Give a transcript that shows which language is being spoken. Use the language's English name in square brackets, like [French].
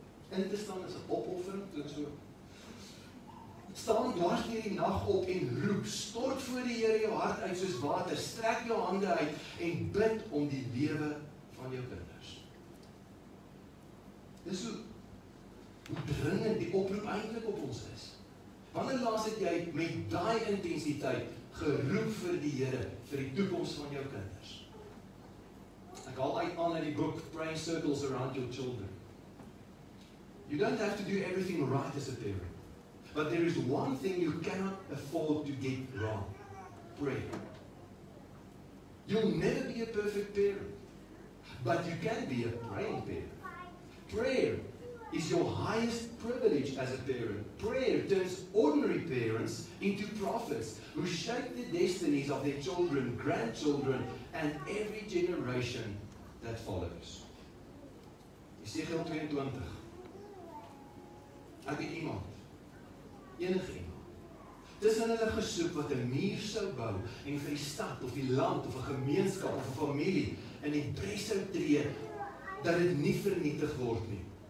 [Afrikaans] In te staan is 'n opoffering, klink so. Staan dwars deur die nag op en roep, stort voor die Here jou hart uit soos water, strek jou hande uit en bid om die lewe van jou kinders. Dis so, hoe dringend die oproep eintlik op ons is. Wanneer laas het jy met daai intensiteit geroep vir die Here, vir die toekoms van jou kinders? Ek haal uit aan uit die boek Praying Circles Around Your Children. [English] You don't have to do everything right as a parent. But there is one thing you cannot afford to get wrong. Pray. You'll never be a perfect parent. But you can be a praying parent. Prayer is your highest privilege as a parent. Prayer turns ordinary parents into prophets who shape the destinies of their children, grandchildren, and every generation that follows. [Afrikaans] Jesaja 22. Ek het iemand, enige iemand, tussen hulle gesoek wat 'n muur sou bou en vir die stad of die land of 'n gemeenskap of 'n familie in die pres sou tree dat dit nie vernietig word nie.